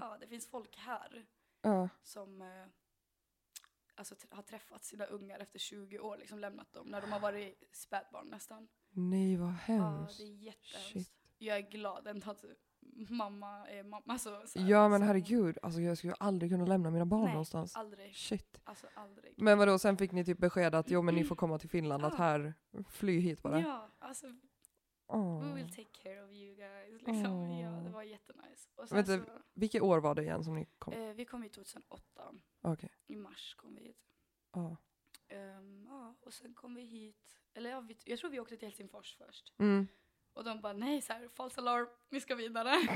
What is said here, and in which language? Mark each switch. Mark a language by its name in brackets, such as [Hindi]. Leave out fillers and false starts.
[Swedish] Ja, det finns folk här som alltså, har träffat sina ungar efter 20 år, liksom lämnat dem när de har varit spädbarn nästan. Nej, vad hemskt. Ja, det är jättehemskt. Shit. Jag är glad ändå att mamma är mamma. Så, ja, men herregud. Alltså, jag skulle aldrig kunna lämna mina barn någonstans. Aldrig. Shit. Alltså, aldrig. Men vadå, sen fick ni typ besked att jo, men ni får komma till Finland, att här, fly hit bara. Ja, alltså, [English] we will take care of you guys. [Swedish] Liksom. Ja, det var jättenice. Och sen, vänta, så, vilket år var det igen som ni kom? Vi kom hit 2008. [English] Okay. [Swedish] I mars kom vi hit. Ja. Och sen kom vi hit. Eller jag tror vi åkte till Helsingfors först. Mm. Och de bara, nej, så här, [English] false alarm, [Swedish] vi ska vidare.